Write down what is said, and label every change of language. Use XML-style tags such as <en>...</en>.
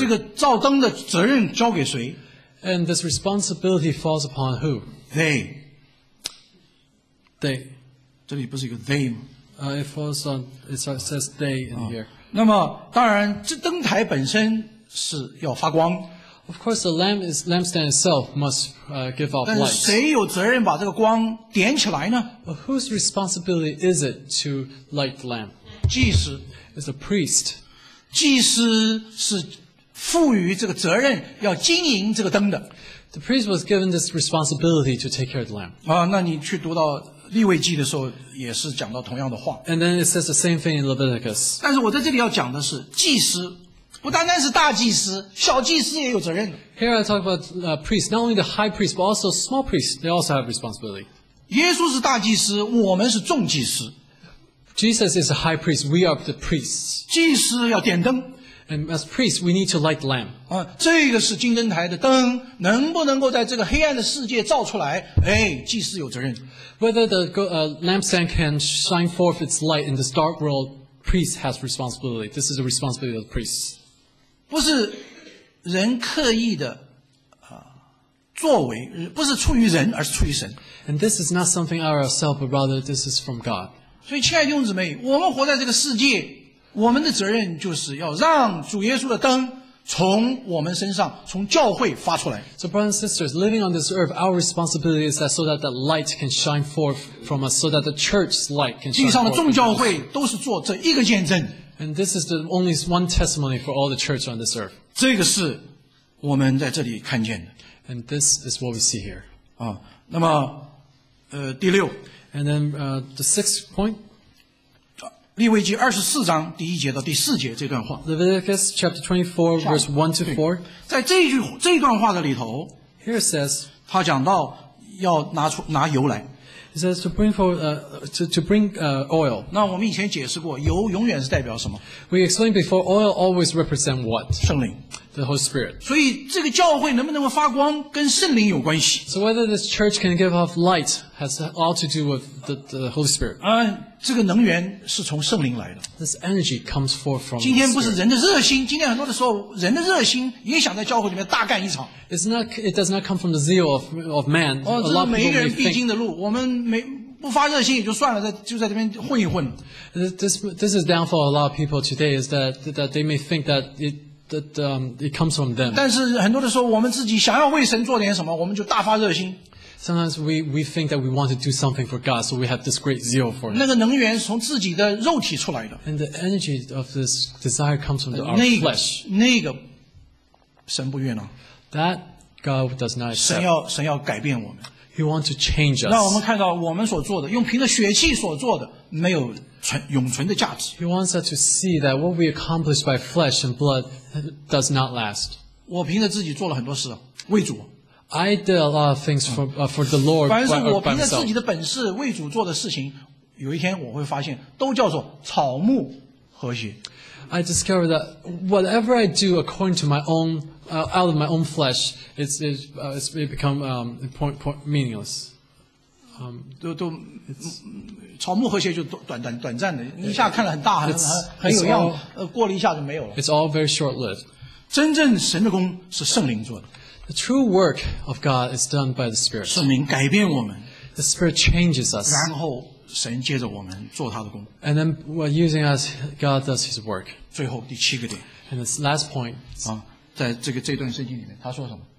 <zh>这个照灯的责任交给谁</zh> <en>？And this responsibility falls upon who? They. They,</en> <zh>这里不是一个 they 吗？</zh> <en>It falls on. It says they in here.</en> <zh>那么当然，这灯台本身是要发光。</zh> <en>Of course, the lampstand itself must give off light.</en> <zh>但是谁有责任把这个光点起来呢</zh> <en>？But whose responsibility is it to light the lamp?</en> <zh>祭司</zh> <en>is a priest.</en> <zh>祭司是赋予这个责任，要经营这个灯的。</zh> <en>The priest was given this responsibility to take care of the lamb.</en> <zh>那你去读到利未记的时候，也是讲到同样的话。</zh> <en>And then it says the same thing in Leviticus.</en> <zh>但是我在这里要讲的是祭司。不单单是大祭司，小祭司也有责任。</zh> <en>Here I talk about priests, not only the high priest, but also small priests, they also have responsibility.</en> <zh>耶稣是大祭司，我们是众祭司。</zh> <en>Jesus is a high priest, we are the priests.</en> <zh>祭司要点灯。</zh> <en>And as priests, we need to light the lamp.</en> <zh>这个是金灯台的灯，能不能够在这个黑暗的世界照出来，祭司有责任。</zh> <en>Whether the lampstand can shine forth its light in this dark world,Priest has responsibility. This is the responsibility of priests.</en> <zh>不是人刻意的作为，不是出于人，而是出于神。</zh> <en>And this is not something out of ourselves, but rather this is from God.</en> <zh>所以，亲爱的弟兄姊妹，我们活在这个世界，我们的责任就是要让主耶稣的灯从我们身上，从教会发出来。</zh> <en>So, brothers and sisters, living on this earth, our responsibility is that so that the light can shine forth from us, so that the church's light can shine forth.</en> <zh>地上的众教会都是做这一个见证。</zh> <en>And this is the only one testimony for all the church on this earth.</en> <zh>这个是我们在这里看见的。</zh> <en>And this is what we see here.</en> <zh>那么，第六。</zh> <en>And then, the sixth point.</en> <zh>利未记二十四章第一节到第四节这段话。</zh> <en>Leviticus chapter 24 verse 1 to 4。</en> <zh>在这一段话的里头</zh> <en>，Here says，</en> <zh>他讲到要拿油来。</zh> <en>He says to bring oil。</en> <zh>那我们以前解释过，油永远是代表什么</zh> <en>？We explained before oil always represent what？</en> <zh>圣灵</zh> <en>，the Holy Spirit。</en> <zh>所以这个教会能不能够发光，跟圣灵有关系。</zh> <en>So whether this church can give off light has all to do with the Holy Spirit。</en> <zh>这个能源是从圣灵来的。</zh> <en>This energy comes forth from.</en> <zh>今天不是人的热心，今天很多的时候，人的热心也想在教会里面大干一场。</zh> <en>It does not come from the zeal of man.</en> <zh>这是每一个人必经的路。我们没不发热心也就算了，就在这边混一混。</zh> <en>This is downfall of a lot of people today is that they may think that it comes from them.</en> <zh>但是很多的时候，我们自己想要为神做点什么，我们就大发热心。</zh> <en>Sometimes we think that we want to do something for God, so we have this great zeal for Him.</en> <zh>那个能源是从自己的肉体出来的。</zh> <en>And the energy of this desire comes from our flesh.</en> <zh>那个神不悦纳。</zh> <en>That God does not accept.</en> <zh>神要改变我们。</zh> <en>He wants to change us.</en> <zh>让我们看到我们所做的，用凭着血气所做的，没有永存的价值。</zh> <en>He wants us to see that what we accomplish by flesh and blood does not last.</en> <zh>我凭着自己做了很多事，为主。</zh> <en>I did a lot of things for the Lord.</en> <zh>凡是我凭着自己的本事为主做的事情，有一天我会发现，都叫做草木和谐。</zh> <en>I discovered that whatever I do according to my own, out of my own flesh, it becomes meaningless.</en> <zh>都草木和谐就短暂的，一下看了很大很有样，过了一下就没有了。</zh> <en>It's all very short-lived.</en> <zh>真正神的工是圣灵做的。</zh> <en>The true work of God is done by the Spirit.</en> <zh>圣灵改变我们。</zh> <en>The Spirit changes us.</en> <zh>然后神接着我们做他的工。</zh> <en>And then we're using us, God does His work.</en> <zh>最后第七个点。</zh> <en>And this last point.</en> <zh>在这段圣经里面，他说什么？</zh>